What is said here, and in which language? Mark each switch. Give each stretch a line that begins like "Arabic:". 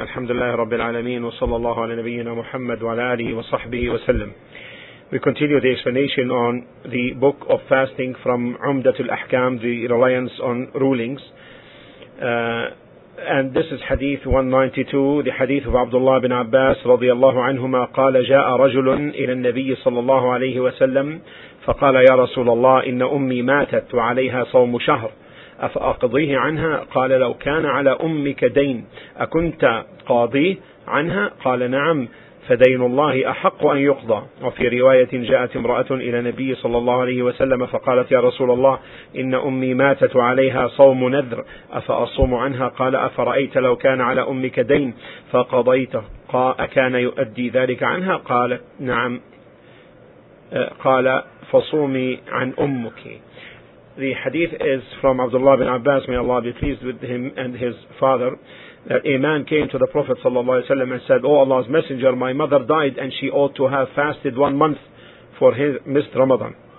Arabic: الحمد لله رب العالمين، وصلى الله على نبينا محمد وعلى آله وصحبه وسلم.
English: We continue the explanation on the book of fasting from Umdatul Ahkam, the reliance on rulings. And this is Hadith 192, the Hadith of Abdullah bin Abbas
Arabic: رضي الله عنهما قال جاء رجل إلى النبي صلى الله عليه وسلم فقال يا رسول الله إن أمي ماتت وعليها صوم شهر أفأقضيه عنها؟ قال لو كان على أمك دين أكنت قاضيه عنها؟ قال نعم، فدين الله أحق أن يقضى. وفي رواية جاءت امرأة إلى النبي صلى الله عليه وسلم فقالت يا رسول الله إن أمي ماتت عليها صوم نذر أفأصوم عنها؟ قال أفرأيت لو كان على أمك دين فقضيته أكان يؤدي ذلك عنها؟ قال نعم، قال فصومي عن أمك.
English: The hadith is from Abdullah bin Abbas, may Allah be pleased with him and his father, that a man came to the Prophet ﷺ and said, Oh Allah's Messenger, my mother died and she ought to have fasted 1 month for his missed Ramadan.